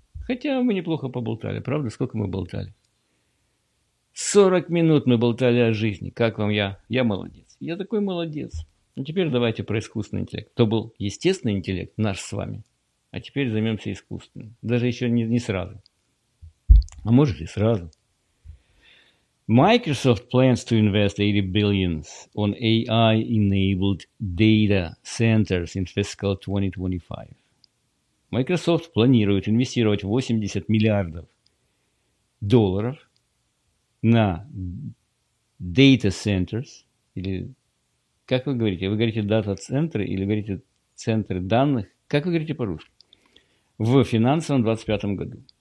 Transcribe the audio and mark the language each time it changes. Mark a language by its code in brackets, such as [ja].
[ru] Хотя мы неплохо поболтали, правда? Сколько мы болтали? 40 минут мы болтали о жизни. Как вам я? Я молодец. Я такой молодец. Ну теперь давайте про искусственный интеллект. То был естественный интеллект наш с вами, а теперь займемся искусственным. Даже еще не сразу. А может и сразу. [en] Microsoft plans to invest $80 billion on AI-enabled data centers in fiscal 2025. [ru] Microsoft планирует инвестировать 80 миллиардов долларов на data centers, или как вы говорите дата-центры, или говорите центры данных, как вы говорите по-русски, в финансовом 25-м году.